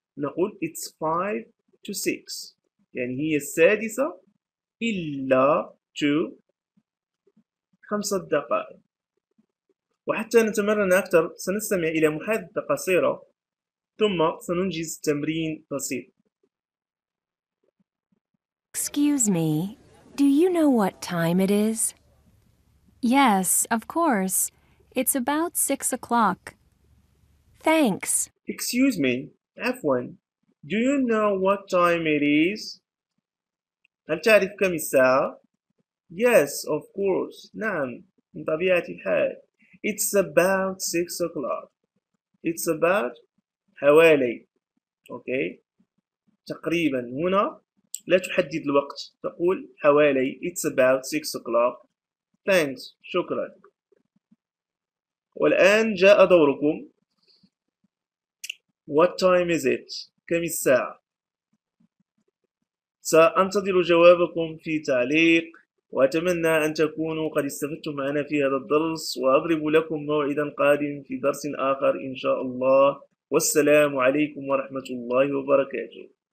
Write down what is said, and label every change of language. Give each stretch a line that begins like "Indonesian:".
Arabic: نقول
English: it's 5 to 6
Arabic: يعني هي السادسة إلا 5 دقائق. وحتى نتمرن أكثر سنستمع إلى محادثة قصيرة ثم سننجز تمرين بسيط.
English: Excuse me, do you know what time it is? Yes, of course. It's about 6 o'clock. Thanks. Excuse me,
Arabic: عفواً.
English: Do you know what time it is?
Arabic: هل تعرف كم الساعة؟
English: Yes, of course.
Arabic: نعم، من طبيعة الحال.
English: It's about 6 o'clock. It's about
Arabic: حوالي.
English: Okay.
Arabic: تقريباً هنا لا تحدد الوقت. تقول حوالي.
English: It's about 6 o'clock. Thanks.
Arabic: شكراً. والآن جاء دوركم.
English: What time is it?
Arabic: كم الساعة؟ سأنتظر جوابكم في تعليق وأتمنى أن تكونوا قد استفدتم معنا في هذا الدرس وأضرب لكم موعدا قادم في درس آخر إن شاء الله والسلام عليكم ورحمة الله وبركاته.